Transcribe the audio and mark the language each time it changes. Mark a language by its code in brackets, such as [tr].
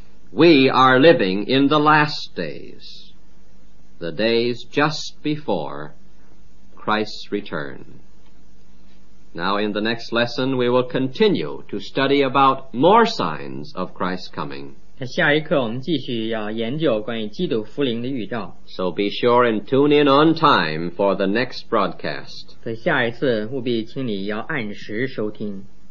[en] We are living in the last days, the days just before Christ's return. Now in the next lesson, we will continue to study about more signs of Christ's coming. [zh] 下一课我们继续要研究关于基督复临的预兆。 [en] So be sure and tune in on time for the next broadcast. [zh] 所以下一次务必请你要按时收听。